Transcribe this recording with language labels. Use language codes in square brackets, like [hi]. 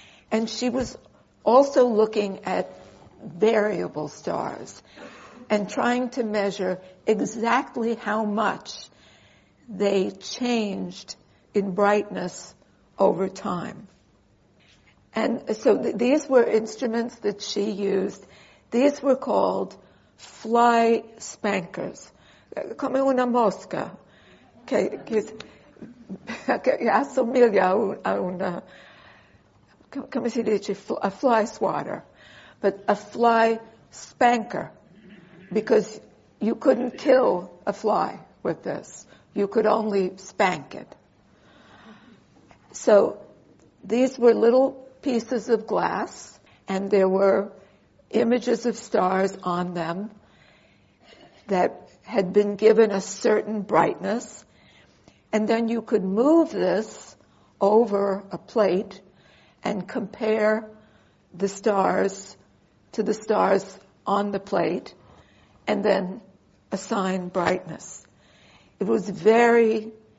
[en] And she was also looking at variable stars and trying to measure exactly how much they changed in brightness over time. And so these were instruments that she used. These were called fly spankers. [it] Come una mosca. Che assomiglia a una, come si dice, a [en] fly swatter. But a fly spanker, because you couldn't kill a fly with this. You could only spank it. So these were little pieces of glass, and there were images of stars on them that had been given a certain brightness, and then you could move this over a plate and compare the stars to the stars on the plate and then assign brightness. It was very